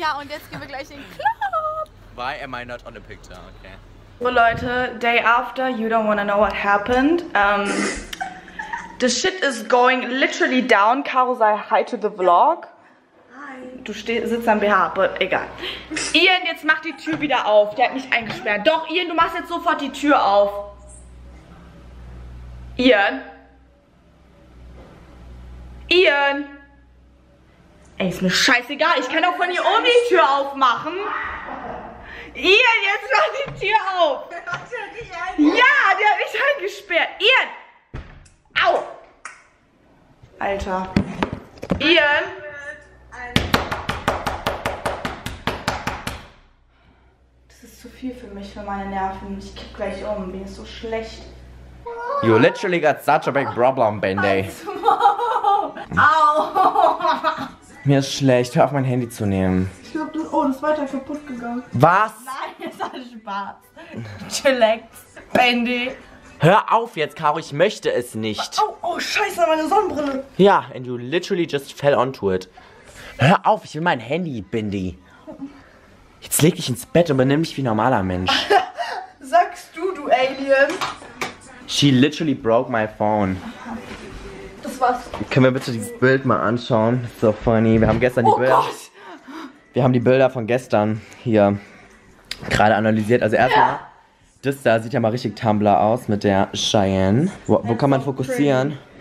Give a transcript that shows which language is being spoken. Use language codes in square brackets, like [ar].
[de] Ja, und jetzt gehen wir gleich in den Club. [en] Why am I not on the picture? Okay. So, Leute, day after, you don't wanna know what happened. the shit is going literally down. Caro, say hi to the vlog. Hi. [de] Du sitzt am BH, but egal. Ian, jetzt mach die Tür wieder auf. Der hat mich eingesperrt. Doch, Ian, du machst jetzt sofort die Tür auf. Ian. Ian! Ey, ist mir scheißegal. Ich kann auch von hier oben die Tür aufmachen. Ian, jetzt mach die Tür auf. Ja, der hat mich eingesperrt. Ian! Au! Alter. Ian! Das ist zu viel für mich, für meine Nerven. Ich kipp gleich um. Mir ist so schlecht. [en] You literally got such a big problem, Bendy. Au! [de] Mir ist schlecht, hör auf mein Handy zu nehmen. Ich glaube, du. Oh, das ist weiter kaputt gegangen. Was? Nein, ist alles Spaß. Chillax, Bendy. Hör auf jetzt, Caro, ich möchte es nicht. Oh, oh, scheiße, meine Sonnenbrille. [en] Ja, and you literally just fell onto it. [de] Hör auf, ich will mein Handy, Bendy. Jetzt leg dich ins Bett und benimm dich wie ein normaler Mensch. Sagst du, du Alien? [en] She literally broke my phone. [de] Was? Können wir bitte dieses Bild mal anschauen? [en] So funny. [de] Wir haben gestern die Bilder. Gott. Wir haben die Bilder von gestern hier gerade analysiert. Also erstmal, das da sieht ja mal richtig Tumblr aus mit der Cheyenne. Wo kann man fokussieren?